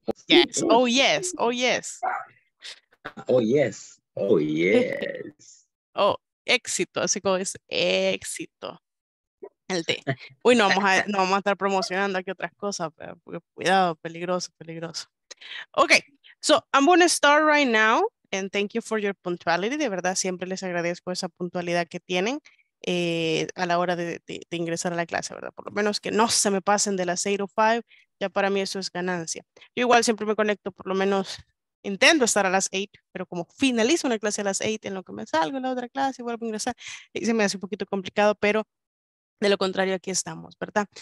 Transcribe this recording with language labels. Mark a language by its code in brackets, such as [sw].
[en] Yes, oh, yes, oh, yes. Oh, yes. Oh, yes. [es] Oh. Éxito, así como es éxito. El té. Uy, no vamos a estar promocionando aquí otras cosas, pero, porque, cuidado, peligroso, peligroso. [en] Ok, so I'm gonna start right now, and thank you for your punctuality. [es] De verdad, siempre les agradezco esa puntualidad que tienen a la hora de ingresar a la clase, ¿verdad? Por lo menos que no se me pasen de las 8:05, ya para mí eso es ganancia. Yo igual siempre me conecto, por lo menos. Intento estar a las 8, pero como finalizo una clase a las 8, en lo que me salgo en la otra clase y vuelvo a ingresar, y se me hace un poquito complicado, pero de lo contrario, aquí estamos, ¿verdad?